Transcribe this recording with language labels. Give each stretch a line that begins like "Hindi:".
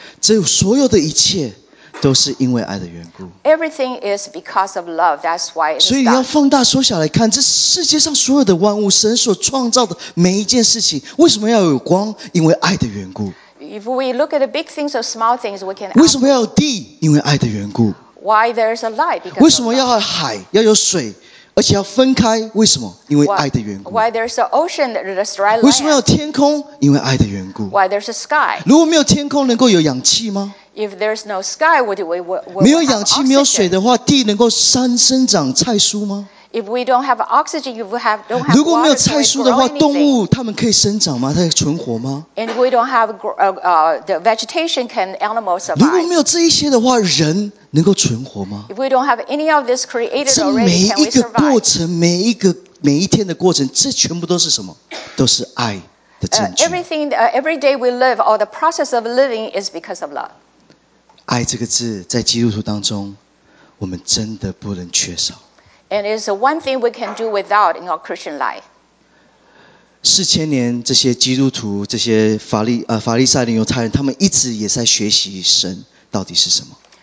Chinese: 这所有的一切都是因为爱的缘故。
English: Everything is because of love. That's why it's done.
Chinese: 所以你要放大缩小来看，这世界上所有的万物，神所创造的每一件事情，为什么要有光？因为爱的缘故。
English: If we look at the big things or small things, we can.
Chinese: 为什么要有地？因为爱的缘故。
English: Why there's a light? Because.
Chinese: 为什么要有海？要有水？而且要分开，为什么？因为爱的缘故。
English: Why there's an ocean that is dry land?
Chinese: 为什么要天空？因为爱的缘故。
English: Why there's a sky?
Chinese: 如果没有天空，能够有氧气吗？
English: If there's no sky, would we?
Chinese: 没有氧气，没有水的话，地能够山生长菜蔬吗？
English: If we don't have oxygen, if we have don't have water,
Chinese: 如果没有菜蔬的话，动物它们可以生长吗？它可以存活吗
English: ？And we don't have the vegetation, can animals survive?
Chinese: 如果没有这一些的话，人能够存活吗
English: ？If we don't have any of this created already, can we survive?
Chinese: 这每一个过程，每一天的过程，这全部都是什么？都是爱的证据。
English: Everything, every day we live, or the process of living is because of love.
Chinese: 爱这个字在基督徒当中，我们真的不能缺少。
English: And it's the one thing we can do without in our Christian life.
Chinese: 四千年，这些基督徒、这些法利赛人、犹太人，他们一直也在学习神到底是什么。